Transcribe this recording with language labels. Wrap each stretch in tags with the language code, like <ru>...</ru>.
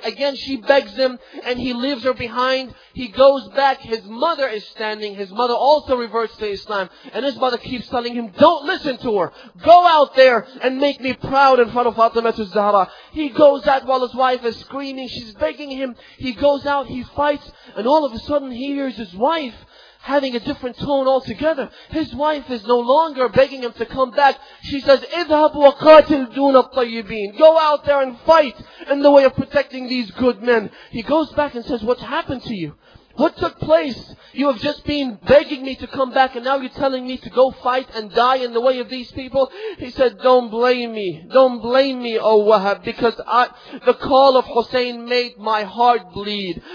<en>Again, she begs him, and he leaves her behind. He goes back, his mother is standing, his mother also reverts to Islam, and his mother keeps telling him, don't listen to her, go out there and make me proud in front of Fatima al-Zahra. He goes out while his wife is screaming, she's begging him, he goes out, he fights, and all of a sudden he hears his wife having a different tone altogether. His wife is no longer begging him to come back. She says,</en> <ar>اذهب وقاتل دون الطيبين.</ar> <en>Go out there and fight in the way of protecting these good men. He goes back and says, what's happened to you? What took place? You have just been begging me to come back and now you're telling me to go fight and die in the way of these people? He said, don't blame me. Don't blame me, O Wahab, because the call of Hussein made my heart bleed.</en>